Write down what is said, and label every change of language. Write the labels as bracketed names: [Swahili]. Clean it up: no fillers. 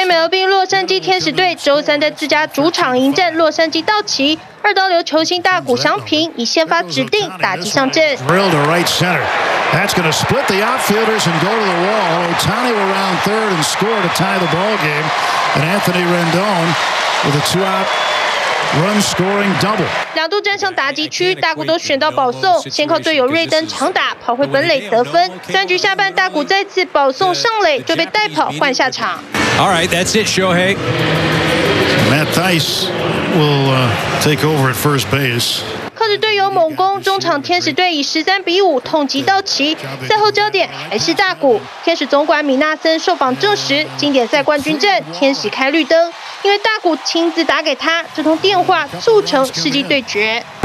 [Chinese] MLB 洛杉矶天使队周三在自家主场迎战洛杉矶道奇，二刀流球星大谷翔平以先发指定打击上阵。 [English] Drilled to right center, that's going to split the outfielders and go to the wall. Otani will round third and score to tie the ball game, and Anthony Rendon with a two-out run scoring double. [Chinese] 两度站上打击区，大谷都选到保送，先靠队友瑞登长打跑回本垒得分。三局下半，大谷再次保送上垒就被带跑换下场。 [English] All right, that's it, Shohei. Matt Theis will take over at first base. [Chinese] 靠着队友猛攻，中场天使队以13-5痛击道奇。赛后焦点还是大谷。天使总管米纳森受访证实，经典赛冠军阵天使开绿灯，因为大谷亲自打给他，这通电话促成世纪对决。